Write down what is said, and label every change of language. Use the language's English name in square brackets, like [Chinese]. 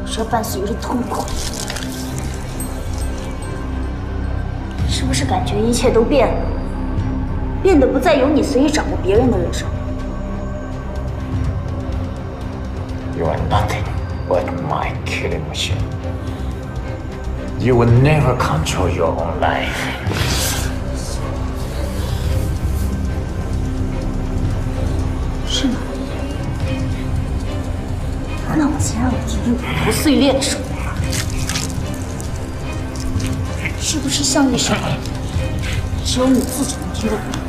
[Chinese] 伴随着痛苦，是不是感觉一切都变了，变得不再由你随意掌握别人的人生？ [English] You are nothing but my killing machine. You will never control your own life. [Chinese] 是吗？那我先让我听听骨头碎裂的声音，是不是像那声只有你自己能听到？